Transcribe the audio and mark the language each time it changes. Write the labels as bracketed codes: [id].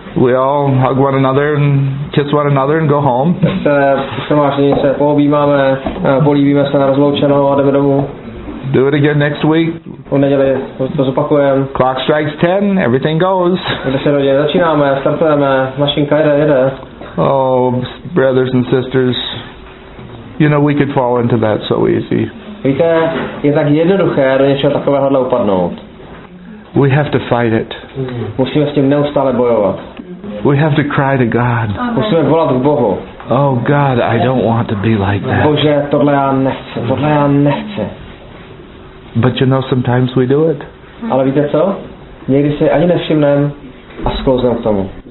[en] We all hug one another and kiss one another and go home. [cs] Tak se vlastně se poobjímáme, políbíme se na rozloučenou a jdeme domů. [en] Do it again next week. [cs] U neděli to zopakujeme. [en] Clock strikes 10, everything goes. [cs] V 10 hodin začínáme, startujeme, mašinka jede. [en] Oh, brothers and sisters, you know we could fall into that so easy. [cs] Víte, je tak jednoduché do něčeho takového upadnout. [en] We have to fight it. [cs] Musíme s tím neustále bojovat. [en] We have to cry to God. [cs] Musíme volat k Bohu. [en] Oh God, I don't want to be like that. [cs] Bože, tohle já nechci. [en] But you know, sometimes we do it. [cs] Ale víte co? Někdy si ani nevšimnem a sklouznem k tomu.